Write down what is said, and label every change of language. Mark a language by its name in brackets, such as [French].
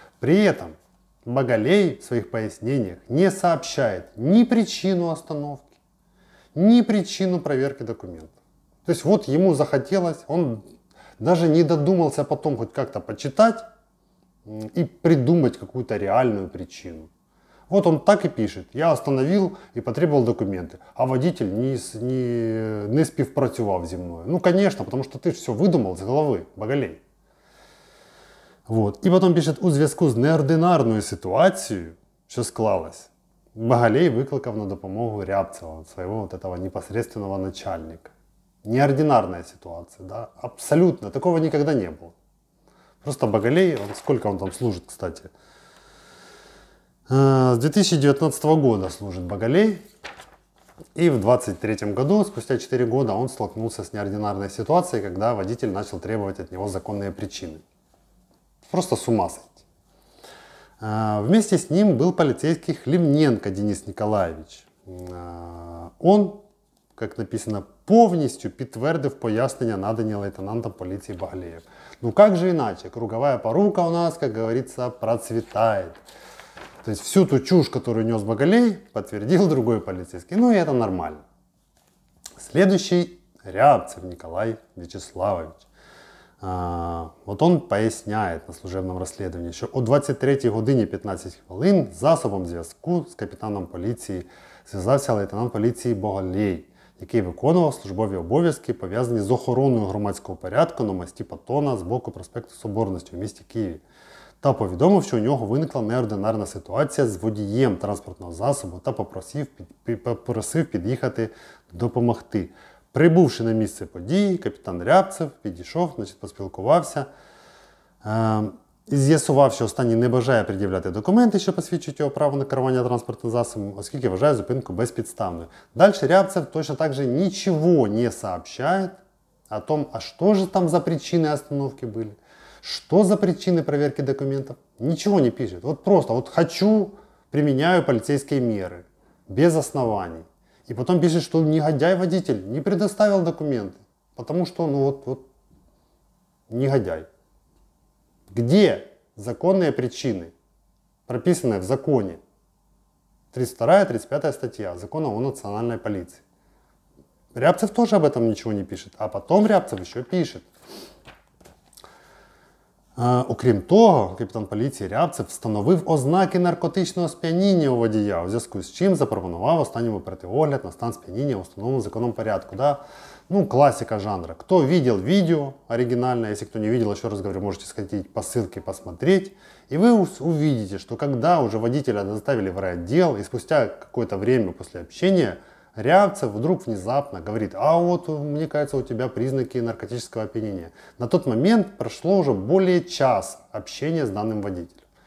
[Russian] При этом [Ukrainian] Багалей в своїх поясненнях не сообщає ні причину остановки, ні причину перевірки документів. Тобто, от йому захотілося, він навіть не додумався потім хоч як-то почитати і придумати якусь реальну причину. [Russian] Вот он так и пишет. Я остановил и потребовал документы. А водитель [Ukrainian] не співпрацював зі мною. [Russian] Ну, конечно, потому что ты же все выдумал с головы, Багалей. Вот. И потом пишет, [Ukrainian] у зв'язку с неординарною ситуацією, що склалась, Багалей викликав на допомогу Рябцева, [Russian] своего вот этого непосредственного начальника. Неординарная ситуация, да? Абсолютно. Такого никогда не было. Просто Багалей, он, сколько он там служит, кстати, с 2019 года служит Багалей, и в 23 году, спустя 4 года, он столкнулся с неординарной ситуацией, когда водитель начал требовать от него законные причины. Просто с ума сойти. Вместе с ним был полицейский Хлебненко Денис Николаевич. Он, как написано, [Ukrainian] повністю підтвердив пояснення, надані лейтенантом поліції Багалеєв. Ну як же інакше? Кругова порука у нас, як говориться, процвітає. [Russian] То есть всю ту чушь, которую нес Багалей, подтвердил другой полицейский. Ну и это нормально. Следующий Рябцев Николай Вячеславович. Вот он поясняет на служебном расследовании, что [Ukrainian] о 23 годині 15 хвилин с засобом зв'язку с капитаном полиции связался лейтенант полиции Багалей, який виконував службові обов'язки, пов'язані з охороною громадського порядку на мості Патона з боку проспекту Соборності в місті Києві. Та повідомив, що у нього виникла неординарна ситуація з водієм транспортного засобу та попросив під'їхати допомогти. Прибувши на місце події, капітан Рябцев підійшов, значить, поспілкувався, з'ясував, що останній не бажає пред'являти документи, що посвідчують його право на керування транспортним засобом, оскільки вважає зупинку безпідставною. Далі Рябцев [Russian] точно так же [Ukrainian] нічого не сообщає о том, а що ж там за причини остановки були. [Russian] Что за причины проверки документов? Ничего не пишет. Вот просто, вот хочу, применяю полицейские меры. Без оснований. И потом пишет, что негодяй-водитель не предоставил документы. Потому что, ну вот, вот, негодяй. Где законные причины, прописанные в законе? 32-я, 35-я статья закона о национальной полиции. Рябцев тоже об этом ничего не пишет. А потом Рябцев еще пишет. [Ukrainian] Окрім того, капітан поліції Рябцев встановив ознаки наркотичного сп'яніння у водія, у зв'язку з чим запропонував останньому протиогляд на стан сп'яніння в установленому законом порядку. Да? Ну, класика жанру. Хто бачив відео оригінальне, якщо хто не бачив, ще раз говорю, можете сходити по посилці [Russian] посмотреть. [Ukrainian] І ви [Russian] увидите, [Ukrainian] що коли вже [Russian] водителя доставили в райотдел, і спустя какое-то время [Ukrainian] після [Russian] общения, Рябцев вдруг внезапно говорит, а вот, мне кажется, у тебя признаки наркотического опьянения. На тот момент прошло уже более часа общения с данным водителем.